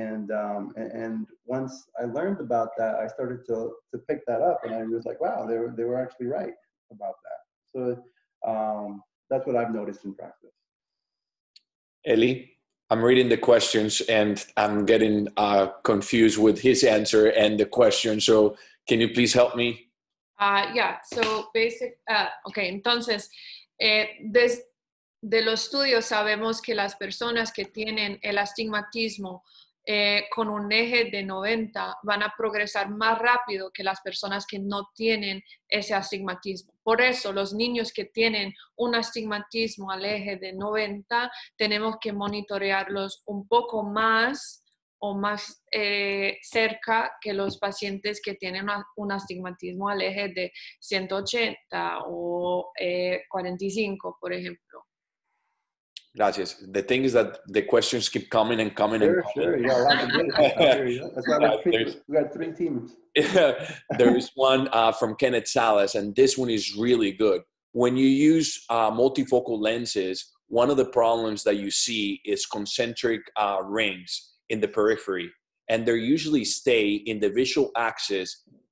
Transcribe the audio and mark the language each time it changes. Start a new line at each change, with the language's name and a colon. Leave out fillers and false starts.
English: And once I learned about that, I started to pick that up, and I was like, wow, they were actually right about that. So that's what I've noticed in practice. Ellie, I'm reading the questions, and I'm getting confused with his answer and the question. So can you please help me?
Spanish: Okay, entonces, de los estudios sabemos que las personas que tienen el astigmatismo con un eje de 90 van a progresar más rápido que las personas que no tienen ese astigmatismo. Por eso, los niños que tienen un astigmatismo al eje de 90, tenemos que monitorearlos un poco más o más cerca que los pacientes que tienen un astigmatismo al eje de 180 o 45, por ejemplo. Gracias.
English: The thing is that the questions keep coming and coming sure, and coming. Sure, sure. Yeah, we got three teams. There is one from Kenneth Salas, and this one is really good. When you use multifocal lenses, one of the problems that you see is concentric rings in the periphery, and they usually stay in the visual axis.